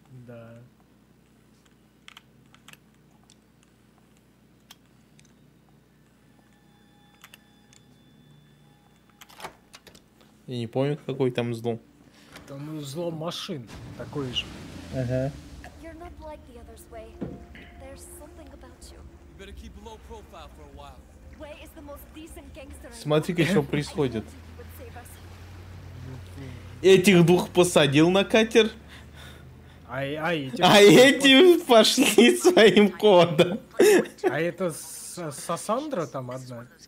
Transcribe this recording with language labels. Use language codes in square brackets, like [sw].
[ru] Да. Я не помню, какой там взлом. Там взлом машин такой же. Ага. [en] You're not like the others, Wei. There's something about you. You better keep low profile for a while. Wei is the most decent gangster. [ru] Смотри-ка, что происходит. Этих двух посадил на катер. А эти пошли своим ходом. А это Сассандра там одна?